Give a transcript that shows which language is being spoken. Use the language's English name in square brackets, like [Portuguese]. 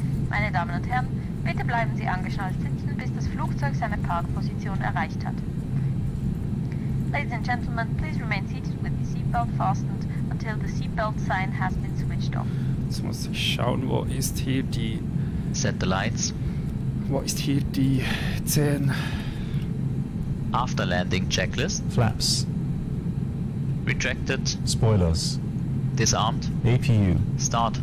[German] Meine Damen und Herren, bitte bleiben Sie angeschnallt sitzen, bis das Flugzeug seine Parkposition erreicht hat. [English] Ladies and gentlemen, please remain seated with the seatbelt fastened until the seatbelt sign has been switched off. [German] Jetzt muss ich schauen, wo ist hier die... [English] Set the lights. [German] Wo ist hier die 10... [English] After landing checklist. Flaps. Rejected. Spoilers. Disarmed. APU. Start.